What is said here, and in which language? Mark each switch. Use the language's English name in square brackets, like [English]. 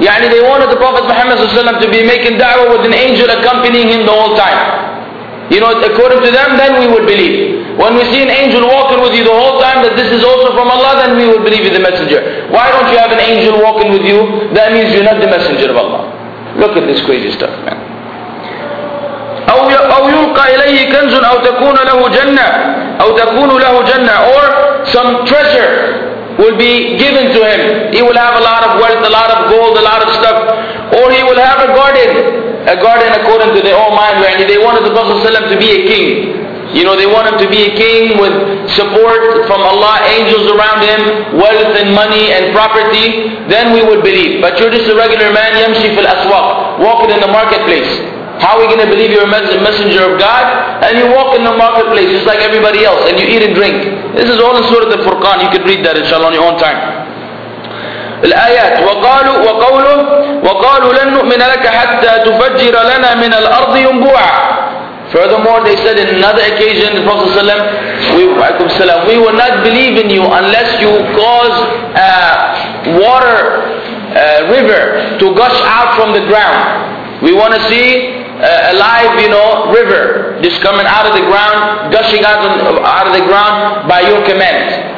[English] Yani they wanted the Prophet Muhammad ﷺ to be making da'wah with an angel accompanying him the whole time. You know, according to them, then we would believe. When we see an angel walking with you the whole time that this is also from Allah, then we would believe in the messenger. Why don't you have an angel walking with you? That means you're not the messenger of Allah. Look at this crazy stuff, man. [Arabic] أو يلقى إليه كنز أو تكون له جنة أو تكون له جنة, or some treasure will be given to him. [English] He will have a lot of wealth, a lot of gold, a lot of stuff, or he will have a garden according to their own mind. And they wanted the Prophet ﷺ to be a king. You know, they want him to be a king with support from Allah, angels around him, wealth and money and property. Then we would believe. But you're just a regular man, yamshi fil aswaq, walking in the marketplace. How are we going to believe you're a messenger of God? And you walk in the marketplace just like everybody else, and you eat and drink. This is all in Surah Al-Furqan. You can read that, inshallah, on your own time. [Arabic] الآيات وقالوا وقوله وقالوا لن نؤمن لك حتى تفجر لنا من الأرض ينبوعا. [English] Furthermore, they said in another occasion, the Prophet ﷺ, we will not believe in you unless you cause a water, a river to gush out from the ground. We want to see a live, you know, river just coming out of the ground, gushing out of the ground by your command.